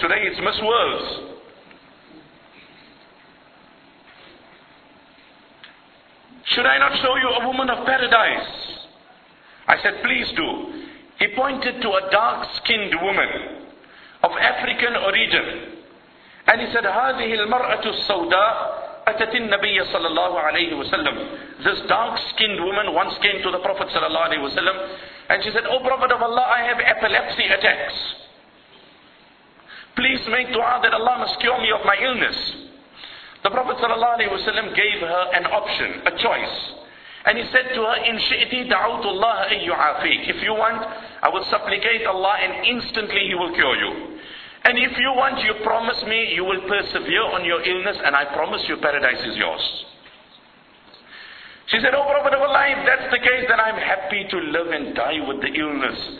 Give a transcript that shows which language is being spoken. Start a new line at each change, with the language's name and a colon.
English: Today it's Miss Worlds. Should I not show you a woman of paradise? I said, please do. He pointed to a dark-skinned woman of African origin. And he said,
Arabic: هذه المرأة السوداء أتت النبي صلى الله عليه وسلم.
English: This dark-skinned woman once came to the Prophet
Arabic: صلى الله عليه وسلم.
English: And she said, O Prophet of Allah, I have epilepsy attacks. Please make dua that Allah must cure me of my illness. The Prophet ﷺ gave her an option, a choice. And he said to her,
Arabic: إِن شِئْتِ دَعَوْتُ اللَّهَ أَن يُعَافِيكِ.
English: If you want, I will supplicate Allah and instantly He will cure you. And if you want, you promise me you will persevere on your illness and I promise you paradise is yours. She said, O Prophet of Allah, if that's the case, then I'm happy to live and die with the illness.